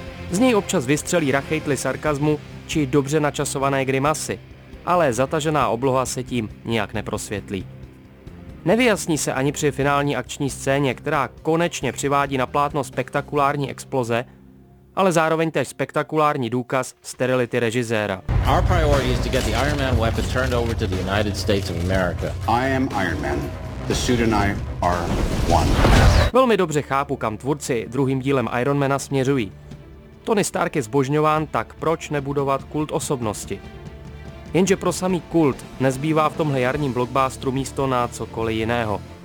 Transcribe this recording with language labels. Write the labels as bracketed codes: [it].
[cs] Z něj občas vystřelí rachejtli sarkazmu či dobře načasované grimasy, ale zatažená obloha se tím nijak neprosvětlí. Nevyjasní se ani při finální akční scéně, která konečně přivádí na plátno spektakulární exploze, ale zároveň též spektakulární důkaz sterility režiséra. [en] Our priority is to get the Iron Man weapon turned over to the United States of America. I am Iron Man. The suit and I are one. [cs] Velmi dobře chápu, kam tvůrci druhým dílem Ironmana směřují. Tony Stark je zbožňován, tak proč nebudovat kult osobnosti? Jenže pro samý kult nezbývá v tomhle jarním blockbusteru místo na cokoliv jiného.